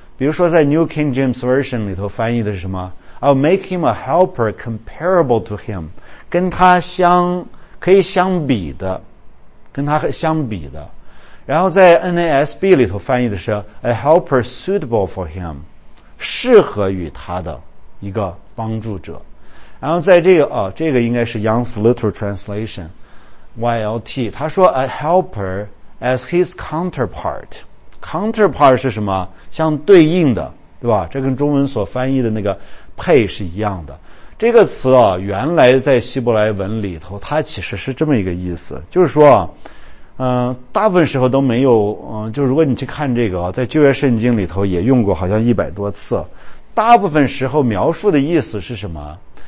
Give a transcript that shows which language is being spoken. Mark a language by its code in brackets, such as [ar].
[zh] 比如说在 New King James Version 里头翻译的是什么 ？ [en] I'll make him a helper comparable to him， [zh] 跟他相可以相比的，跟他相比的。然后在 NASB 里头翻译的是 [en] a helper suitable for him， [zh] 适合于他的一个帮助者。然后在这个这个应该是 Young's Literal Translation。 [en] YLT [zh] 他说 [en] a helper as his counterpart， counterpart [zh] 是什么？相对应的，对吧？这跟中文所翻译的那个配是一样的。这个词啊，原来在希伯来文里头它其实是这么一个意思，就是说大部分时候都没有就如果你去看这个在旧约圣经里头也用过好像100多次，大部分时候描述的意思是什么？